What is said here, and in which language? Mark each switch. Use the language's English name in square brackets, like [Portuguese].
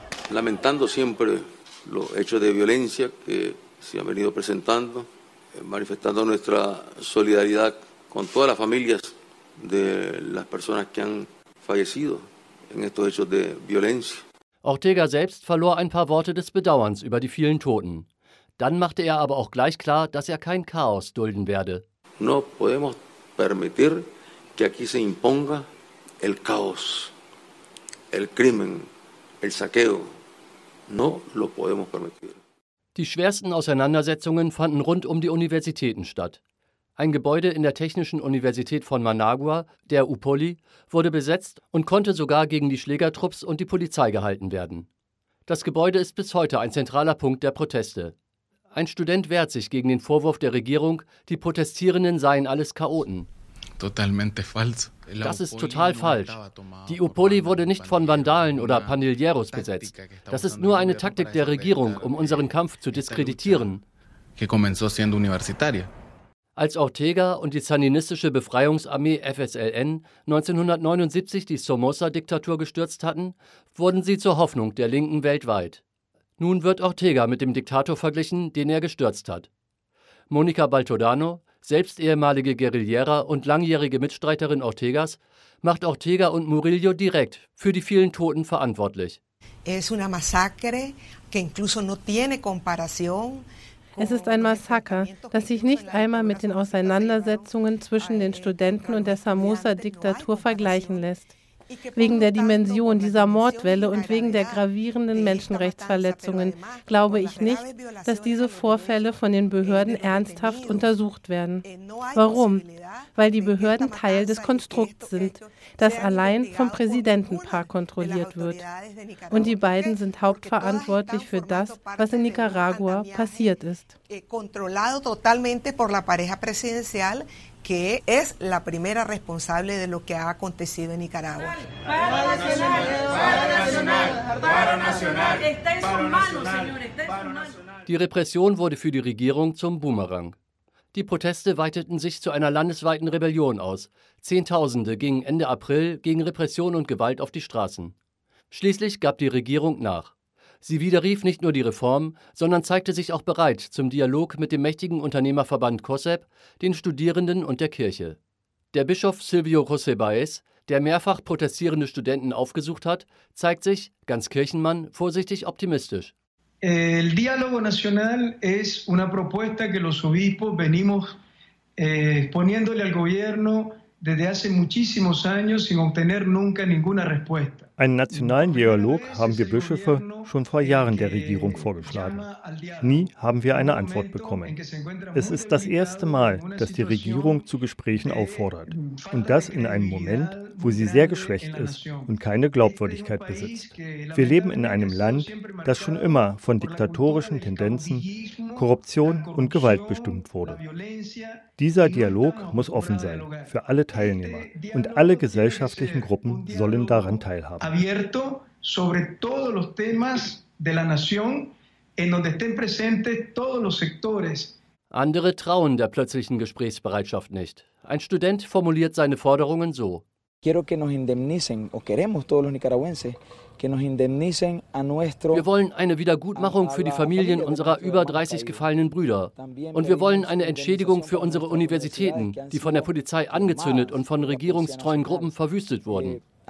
[Spanish] Lamentando siempre los hechos de violencia que se han venido presentando, manifestando nuestra solidaridad con todas las familias de las personas que han fallecido en estos hechos de violencia. [German] Ortega selbst verlor ein paar Worte des Bedauerns über die vielen Toten. Dann machte er aber auch gleich klar, dass er kein Chaos dulden werde. [Spanish] No podemos permitir que aquí se imponga el caos, el crimen, el saqueo. No lo podemos permitir. [German] Die schwersten Auseinandersetzungen fanden rund um die Universitäten statt. Ein Gebäude in der Technischen Universität von Managua, der UPOLI, wurde besetzt und konnte sogar gegen die Schlägertrupps und die Polizei gehalten werden. Das Gebäude ist bis heute ein zentraler Punkt der Proteste. Ein Student wehrt sich gegen den Vorwurf der Regierung, die Protestierenden seien alles Chaoten. [Spanish] Totalmente falso. [German] Das ist total falsch. Die UPOLI wurde nicht von Vandalen oder Pandilleros besetzt. Das ist nur eine Taktik der Regierung, um unseren Kampf zu diskreditieren. [Spanish] Que comenzó siendo universitaria. [German] Als Ortega und die sandinistische Befreiungsarmee FSLN 1979 die Somoza-Diktatur gestürzt hatten, wurden sie zur Hoffnung der Linken weltweit. Nun wird Ortega mit dem Diktator verglichen, den er gestürzt hat. Monica Baltodano, selbst ehemalige Guerillera und langjährige Mitstreiterin Ortegas, macht Ortega und Murillo direkt für die vielen Toten verantwortlich. [Spanish] Es ist eine Massacre, die incluso no tiene comparación. [German] Es ist ein Massaker, das sich nicht einmal mit den Auseinandersetzungen zwischen den Studenten und der Somoza-Diktatur vergleichen lässt. Wegen der Dimension dieser Mordwelle und wegen der gravierenden Menschenrechtsverletzungen glaube ich nicht, dass diese Vorfälle von den Behörden ernsthaft untersucht werden. Warum? Weil die Behörden Teil des Konstrukts sind, das allein vom Präsidentenpaar kontrolliert wird. Und die beiden sind hauptverantwortlich für das, was in Nicaragua passiert ist. [Spanish] Que es la primera responsable de lo que ha acontecido en Nicaragua. Paro nacional, paro nacional, paro nacional. Está en sus manos, señores, está en sus manos. [German] Die Repression wurde für die Regierung zum Boomerang. Die Proteste weiteten sich zu einer landesweiten Rebellion aus. Zehntausende gingen Ende April gegen Repression und Gewalt auf die Straßen. Schließlich gab die Regierung nach. Sie widerrief nicht nur die Reform, sondern zeigte sich auch bereit zum Dialog mit dem mächtigen Unternehmerverband COSEP, den Studierenden und der Kirche. Der Bischof Silvio José Báez, der mehrfach protestierende Studenten aufgesucht hat, zeigt sich, ganz Kirchenmann, vorsichtig optimistisch. [Spanish] El diálogo nacional es una propuesta que los obispos venimos poniéndole al gobierno desde hace muchísimos años sin obtener nunca ninguna respuesta. [German] Einen nationalen Dialog haben wir Bischöfe schon vor Jahren der Regierung vorgeschlagen. Nie haben wir eine Antwort bekommen. Es ist das erste Mal, dass die Regierung zu Gesprächen auffordert. Und das in einem Moment, wo sie sehr geschwächt ist und keine Glaubwürdigkeit besitzt. Wir leben in einem Land, das schon immer von diktatorischen Tendenzen, Korruption und Gewalt bestimmt wurde. Dieser Dialog muss offen sein für alle Teilnehmer und alle gesellschaftlichen Gruppen sollen daran teilhaben. [Spanish] Abierto sobre todos los temas de la nación, en donde estén presentes todos los sectores. [German] Andere trauen der plötzlichen Gesprächsbereitschaft nicht. Ein Student formuliert seine Forderungen so: [Spanish] Quiero que nos indemnicen, o queremos todos los nicaragüenses. [German] Wir wollen eine Wiedergutmachung für die Familien unserer über 30 gefallenen Brüder. Und wir wollen eine Entschädigung für unsere Universitäten, die von der Polizei angezündet und von regierungstreuen Gruppen verwüstet wurden.